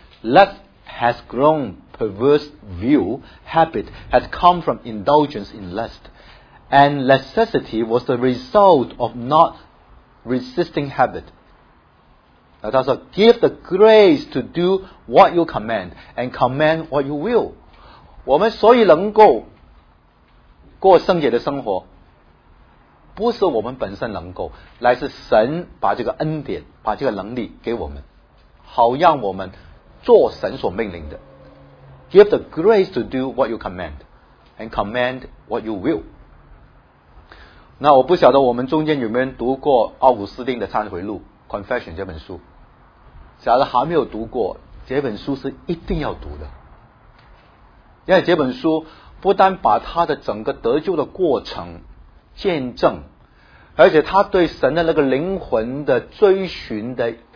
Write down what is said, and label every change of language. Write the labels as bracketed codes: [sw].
[en] Lust has grown perverse view, habit has come from indulgence in lust, and necessity was the result of not resisting habit. So give the grace to do what you command and command what you will. [zh] 我们所以能够过圣洁的生活，不是我们本身能够，乃是神把这个恩典把这个能力给我们，好让我们做神所命令的。 [en] Give the grace to do what you command and command what you will. [zh] 那我不晓得我们中间有没有读过奥古斯丁的忏悔录 Confession 这本书，假如还没有读过，这本书是一定要读的。因为这本书不单把他的整个得救的过程见证，而且他对神的那个灵魂的追寻的